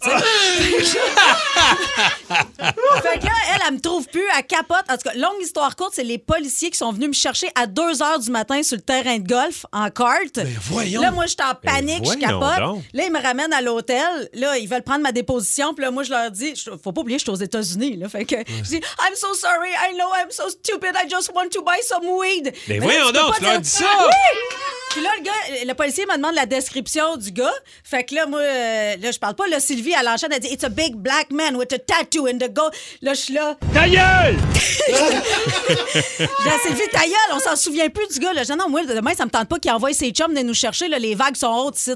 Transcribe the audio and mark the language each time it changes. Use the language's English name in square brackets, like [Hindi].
[French] Fait que là, elle me trouve plus. Elle capote. En tout cas, longue histoire courte, c'est les policiers qui sont venus me chercher à 2h du matin sur le terrain de golf en kart. Là, moi, je suis en panique, je capote. Là, ils me ramènent à l'hôtel. Là, ils veulent prendre ma déposition. Puis là, moi, je leur dis, faut pas oublier, je suis aux États-Unis. Là. Fait que je dis, [English] I'm so sorry, I know I'm so stupid, I just want to buy some weed. [French] Mais voyons donc, tu leur dis ça. Oui! Puis là, le gars, le policier me demande la description du gars. Fait que là, moi, là, je parle pas. Là, Sylvie, à l'enchaîne, elle dit « [English] It's a big black man with a tattoo in the go. [French] » Là, je suis là. « Ta gueule! » Là, Sylvie, ta gueule, on s'en souvient plus du gars. Là, je dis, non, moi, demain, ça me tente pas qu'il envoie ses chums venir nous chercher. Là, les vagues sont hautes ici.